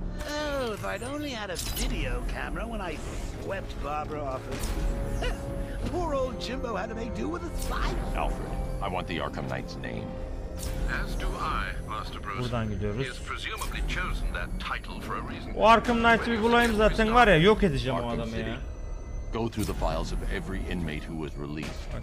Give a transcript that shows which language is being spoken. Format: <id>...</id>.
<en>Oh, if I'd only had a video camera when I swept Barbara off of... Poor old Jimbo had to make do with a spike. Alfred, I want the Arkham Knight's name. As do I, Master Bruce.</en> <tr>Buradan gidiyoruz.</tr> <en>He has presumably chosen that title for a reason.</en> <tr>O Arkham Knight'ı bir bulayım zaten var ya, yok edeceğim Arkham o adamı City. Ya.</tr> <en>Go through the files of every inmate who was released okay.</en>